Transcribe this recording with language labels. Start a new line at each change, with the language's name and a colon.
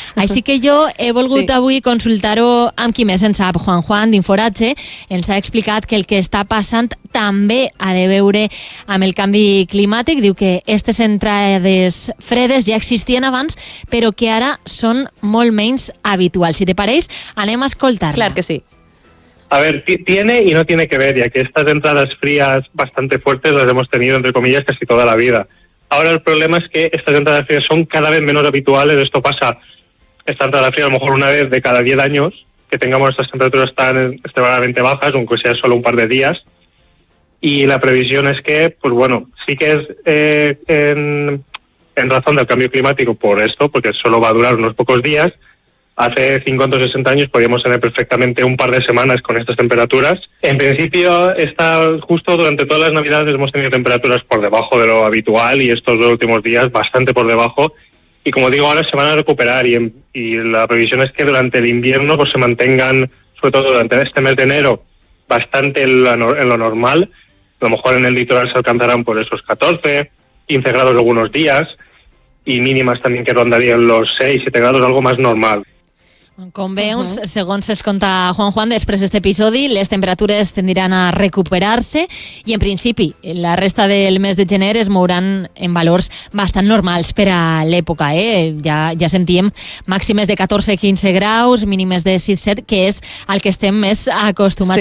Catalan: Així que jo he volgut avui consultar-ho amb qui més en sap. Juan d'Inforatge ens ha explicat que el que està passant també ha de veure amb el canvi climàtic. Diu que aquestes entrades fredes ja existien abans, però que ara són molt menys habituals. Si te pareix, anem a escoltar-la. Clar que sí.
Spanish: A ver, tiene y no tiene que ver, y
Catalan: aquestes entrades
Spanish: frías bastante fuertes las hemos tenido, entre comillas, casi toda la vida. Ahora el problema es que estas entradas frías son cada vez menos habituales. Esto pasa, esta entrada fría, a lo mejor una vez de cada 10 años, que tengamos estas temperaturas tan extremadamente bajas, aunque sea solo un par de días. Y la previsión es que, pues bueno, sí que es en razón del cambio climático por esto, porque solo va a durar unos pocos días. Hace 50 o 60 años podíamos tener perfectamente un par de semanas con estas temperaturas. En principio, está justo durante todas las Navidades hemos tenido temperaturas por debajo de lo habitual, y estos dos últimos días bastante por debajo. Y como digo, ahora se van a recuperar, y la previsión es que durante el invierno, pues, se mantengan, sobre todo durante este mes de enero, bastante en lo normal. A lo mejor en el litoral se alcanzarán por esos 14, 15 grados algunos días, y mínimas también que rondarían los 6, 7 grados, algo más normal.
Catalan: Com veus, segons es conta Juan, després d'aquest episodi, les temperatures tendiran a recuperar-se, i en principi la resta del mes de gener es mouran en valors bastant normals per a l'època. Ja sentíem màximes de 14-15 graus, mínimes de 6-7, que és el que estem més acostumats.